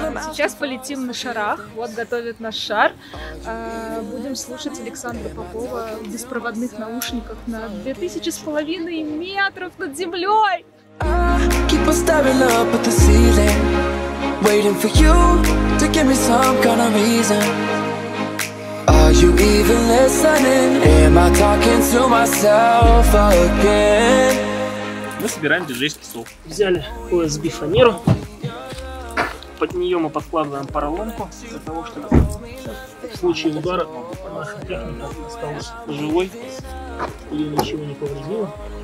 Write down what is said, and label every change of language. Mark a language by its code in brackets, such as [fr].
[ru] Сейчас полетим на шарах. Вот готовят наш шар. Будем слушать Александра Попова в беспроводных наушниках на 2500 метров над землей. [en] Keep on staring up at the ceiling, waiting for you to give me some kind of reason. Are you even listening? Am I talking to myself again? [ru] Мы собираем диджейский стол. Взяли USB фанеру. Под нее мы подкладываем поролонку для того, чтобы в случае удара наша техника осталась живой и ничего не повредила.